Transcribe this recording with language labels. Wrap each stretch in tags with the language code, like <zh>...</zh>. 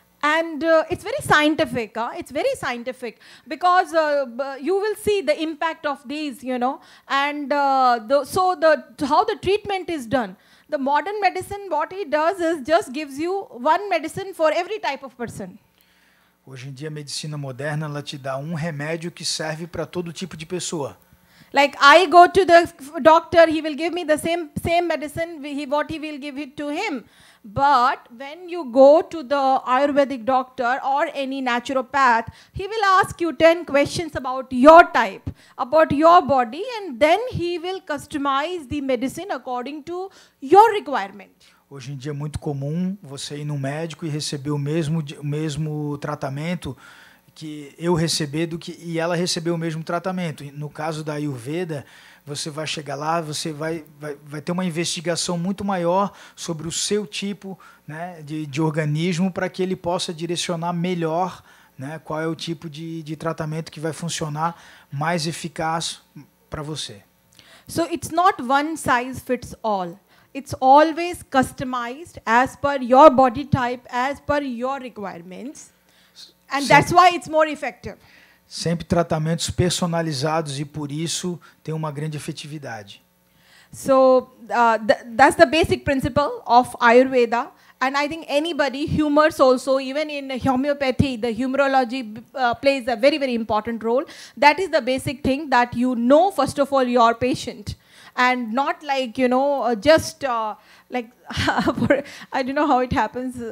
<en>And it's very scientific, it's very scientific, because you will see the impact of these, you know, and how the treatment is done. The modern medicine, what it does is just gives you one medicine for every type of person.</en> <pt>Hoje em dia, a medicina moderna, ela te dá um remédio que serve para todo tipo de pessoa.</pt> <en>Like I go to the doctor, he will give me the same medicine, what he will give it to him. But when you go to the Ayurvedic doctor or any naturopath, he will ask you 10 questions about your type, about your body, and then he will customize the medicine according to your requirement.</en> <pt>Hoje em dia é muito comum você ir no médico e receber o mesmo tratamento que eu receber e ela receber o mesmo tratamento. No caso da Ayurveda, você vai chegar lá, você vai ter uma investigação muito maior sobre o seu tipo, né, de organismo para que ele possa direcionar melhor, né, qual é o tipo de tratamento que vai funcionar mais eficaz para você.</pt> <en>So it's not one size fits all. It's always customized as per your body type, as per your requirements. And that's why it's more effective.</en> <pt>Sempre tratamentos personalizados e por isso tem uma grande efetividade.</pt> <en>So that's the basic principle of Ayurveda, and I think anybody humors also, even in homeopathy, the humorology plays a very very important role. That is the basic thing that you know first of all your patient, and not like you know just like I don't know how it happens.</en>